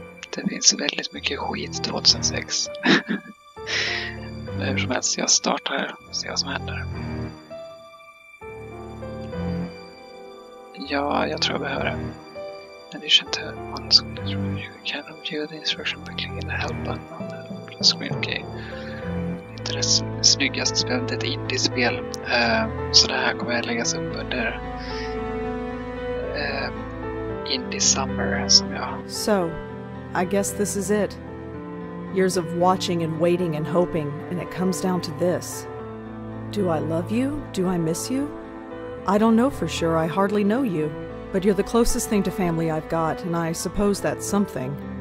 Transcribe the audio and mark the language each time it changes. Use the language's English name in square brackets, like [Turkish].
[Swedish] Det finns väldigt mycket skit 2006. Men hur som helst, jag startar här och ser vad som händer. Ja, jag tror jag behöver det. [English] Addition to one screen is removed. You can view the instruction by clicking the help button on the screen. Okay. [Swedish] Inte det snyggaste spelet, det är ett indie-spel. Så det här kommer att läggas upp under Indie Summer som jag... [English] So, I guess this is it. Years of watching and waiting and hoping, and it comes down to this. Do I love you? Do I miss you? I don't know for sure, I hardly know you. But you're the closest thing to family I've got, and I suppose that's something.